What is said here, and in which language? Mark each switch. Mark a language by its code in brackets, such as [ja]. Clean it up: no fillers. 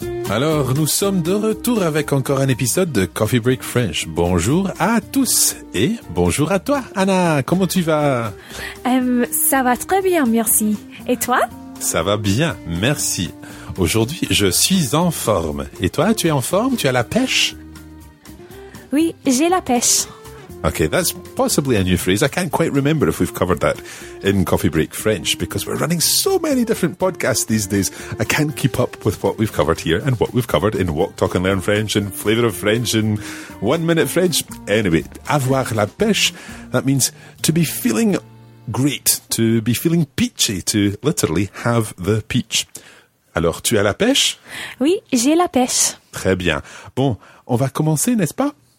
[fr] Alors, nous sommes de retour avec encore un épisode de Coffee Break French. Bonjour à tous et bonjour à toi, Anna. Comment tu vas? Ça va très bien, merci. Et toi? Ça va bien, merci. Aujourd'hui, je suis en forme. Et toi, tu es en forme? Tu as la pêche? Oui, j'ai la pêche. [en] Okay, that's possibly a new phrase. I can't quite remember if we've covered that in Coffee Break French because we're running so many different podcasts these days. I can't keep up with what we've covered here and what we've covered in Walk, Talk and Learn French and Flavour of French and 1 Minute French. Anyway, [fr] avoir la pêche, [en] that means to be feeling great, to be feeling peachy, to literally have the peach. [fr] Alors, tu as la pêche? Oui, j'ai la pêche. Très bien. Bon, on va commencer, n'est-ce pas?